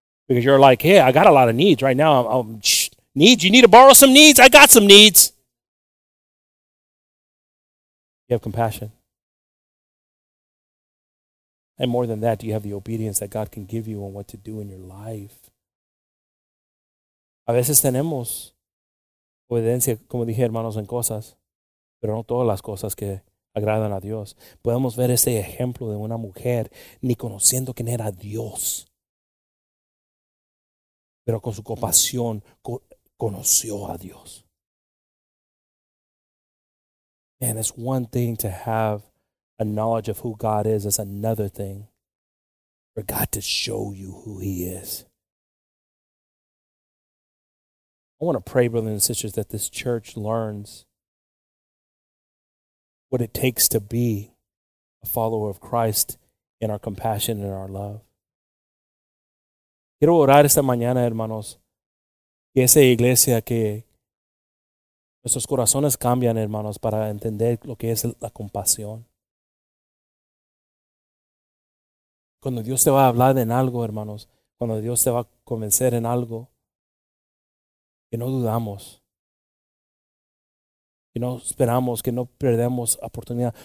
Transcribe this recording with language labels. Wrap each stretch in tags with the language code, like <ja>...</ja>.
<en>Because you're like, hey, I got a lot of needs right now. Needs? You need to borrow some needs? I got some needs. You have compassion. And more than that, do you have the obedience that God can give you on what to do in your life?</en> <es>A veces tenemos obediencia, como dije, hermanos, en cosas, pero no todas las cosas que agradan a Dios. Podemos ver este ejemplo de una mujer ni conociendo quién era Dios, pero con su compasión conoció a Dios.</es> <en>And it's one thing to have a knowledge of who God is. It's another thing for God to show you who He is. I want to pray, brothers and sisters, that this church learns what it takes to be a follower of Christ in our compassion and our love.</en> <es>Quiero orar esta mañana, hermanos, que esa iglesia, que nuestros corazones cambian, hermanos, para entender lo que es la compasión. Cuando Dios te va a hablar en algo, hermanos, cuando Dios te va a convencer en algo, que no dudamos, que no esperamos, que no perdemos oportunidad.</es>